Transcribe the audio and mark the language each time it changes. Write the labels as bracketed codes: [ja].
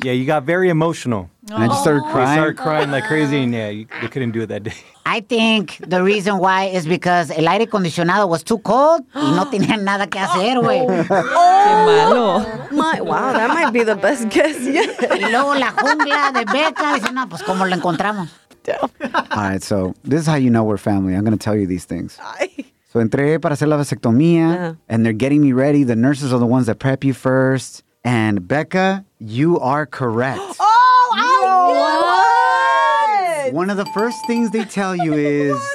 [en] Yeah, you got very emotional. And I just started crying. You started crying like crazy, and yeah, you couldn't do it that day. I think the reason why is because [es] el aire acondicionado [en] was too cold [es] y no tenía nada que hacer, güey. Qué malo. [en] Wow, that might be the best guess yet. [es] Y luego la jungla de Beca dice, no, pues cómo la encontramos. [en] All right, so this is how you know we're family. I'm going to tell you these things. So [es] entré para hacer la vasectomía, [en] and they're getting me ready. The nurses are the ones that prep you first. And Beca, you are correct. Oh, I knew it! One of the first things they tell you is,